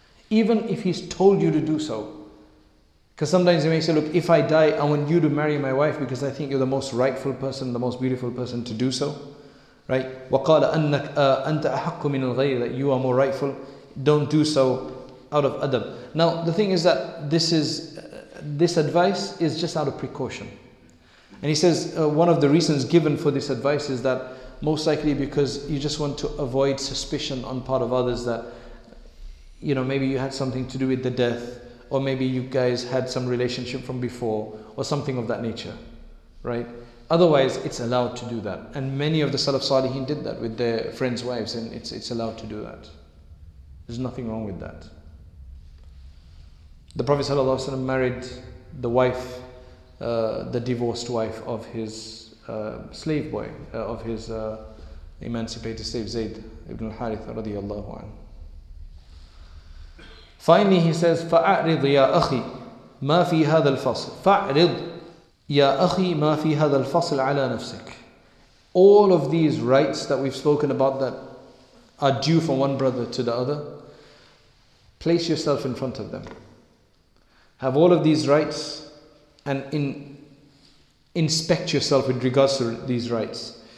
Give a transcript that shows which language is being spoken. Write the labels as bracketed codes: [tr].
[en] Even if he's told you to do so. Because sometimes he may say, look, if I die, I want you to marry my wife because I think you're the most rightful person, the most beautiful person to do so. Right? [ar] وَقَالَ أَنَّكَ أَنْتَ أَحَقُّ مِنَ الْغَيْرِ, [en] that you are more rightful. Don't do so out of adab. Now, the thing is that this is... this advice is just out of precaution. And he says, one of the reasons given for this advice is that most likely because you just want to avoid suspicion on part of others that, you know, maybe you had something to do with the death, or maybe you guys had some relationship from before, or something of that nature, right? Otherwise, it's allowed to do that. And many of the Salaf Salihin did that with their friends' wives, and it's allowed to do that. There's nothing wrong with that. The Prophet ﷺ married the wife, the divorced wife of his slave boy, of his emancipated slave, Zayd ibn al-Haritha radiyallahu anhu. Finally, he says, [ar] فَأَعْرِضْ يَا أَخِي مَا فِي هَذَا الْفَصْلِ فَأَعْرِضْ يَا أَخِي مَا فِي هَذَا الْفَصْلِ عَلَى نَفْسِكَ. [en] All of these rights that we've spoken about that are due from one brother to the other, place yourself in front of them. Have all of these rights and inspect yourself with regards to these rights.